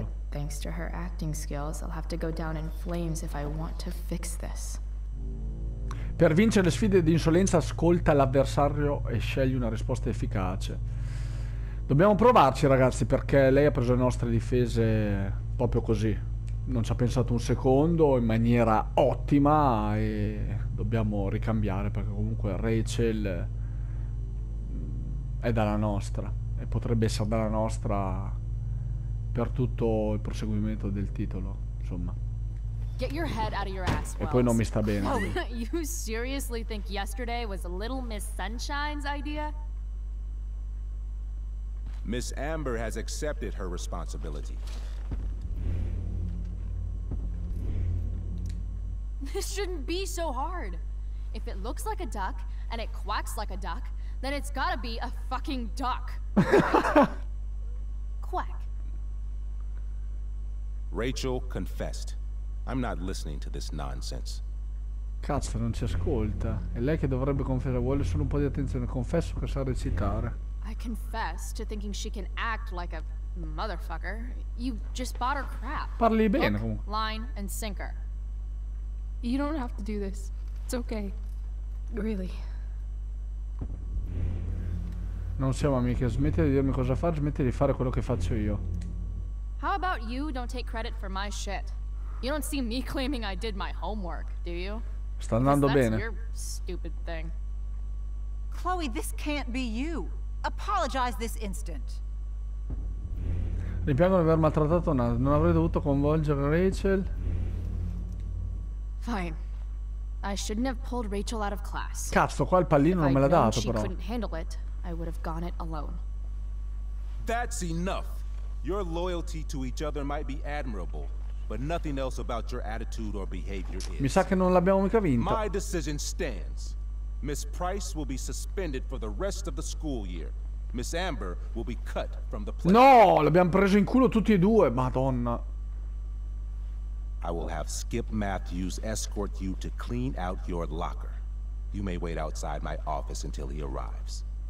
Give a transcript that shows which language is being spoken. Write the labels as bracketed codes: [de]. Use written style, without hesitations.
[en] But thanks to her acting skills, I'll have to go down in flames if I want to fix this. [it] Per vincere le sfide di insolenza, ascolta l'avversario e scegli una risposta efficace. Dobbiamo provarci, ragazzi, perché lei ha preso le nostre difese proprio così. Non ci ha pensato un secondo, in maniera ottima, e dobbiamo ricambiare, perché comunque Rachel è dalla nostra e potrebbe essere dalla nostra per tutto il proseguimento del titolo, insomma. [en] Get your head out of your ass, Wells. [it] E poi non mi sta bene. [en] You seriously think yesterday was Little Miss Sunshine's idea? Miss Amber has accepted her responsibility. This shouldn't be so hard. If it looks like a duck and it quacks like a duck, then it's gotta be a fucking duck. Quack. Rachel confessed. I'm not listening to this nonsense. [it] Cazzo, non ci ascolta. È lei che dovrebbe confessare. Vuole solo un po' di attenzione. Confesso che sa recitare. [en] I confess to thinking she can act like a motherfucker. You just bought her crap. [it] Parli bene. [en] Hook, line and sinker. You don't have to do this. It's okay. Really. [it] Non siamo amiche. Smetti di dirmi cosa fare. Smetti di fare quello che faccio io. [en] How about you don't take credit for my shit? You don't see me claiming I did my homework, do you? [it] Sta andando bene. [en] Your stupid thing. Chloe, this can't be you. Apologize this instant. [it] Rimpiango di aver maltrattato Nat. Non avrei dovuto coinvolgere Rachel. [en] Fine. I shouldn't have pulled Rachel out of class. [it] Cazzo, qua il pallino non me l'ha dato, però. [en] If I couldn't handle it, I would have gone it alone. That's enough. Your loyalty to each other might be admirable. But nothing else about your attitude or behavior is. [it] Mi sa che non l'abbiamo mica vinta. [en] My decision stands. Miss Price will be suspended for the rest of the school year. Miss Amber will be cut from the play. [it] No, l'abbiamo preso in culo tutti e due, madonna. [en] I will have Skip Matthews escort you to clean out your locker. You may wait outside my office until he arrives.